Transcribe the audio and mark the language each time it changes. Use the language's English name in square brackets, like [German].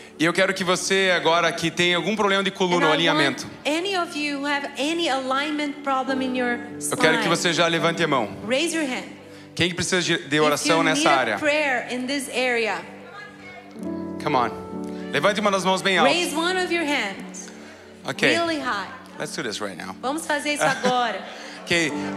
[Portuguese] E eu quero que você agora que tem algum problema de coluna ou alinhamento. [English] Any of you who have any alignment problem in your spine. [Portuguese] Eu quero que você já levante a mão. [English] Raise your hand. [Portuguese] Quem precisa de oração nessa área? [English] Prayer in this area. Come on. [Portuguese] Levante uma das mãos bem alto. [English] Raise one of your hands. Okay. Really high. Let's do this right now. [Portuguese] Vamos fazer isso agora. [English] Okay.